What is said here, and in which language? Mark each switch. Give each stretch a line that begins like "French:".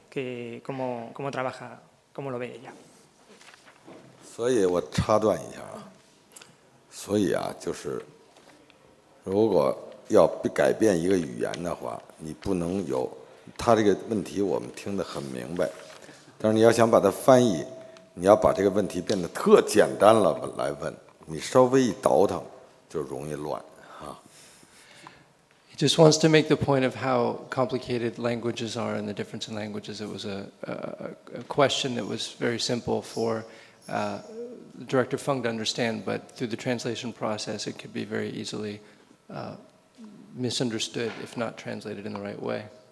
Spanish: Que cómo trabaja, cómo lo ve ella.
Chinese: 所以我插断一下啊，所以啊，就是如果 要改变一个语言的话，你不能有他这个问题，我们听得很明白。但是你要想把它翻译，你要把这个问题变得特简单了来问。你稍微一倒腾，就容易乱啊。
English: He just wants to make the point of how complicated languages are and the difference in languages. It was a question that was very simple for director Feng to understand, but through the translation process, it could be very easily misunderstood if not translated in the right way.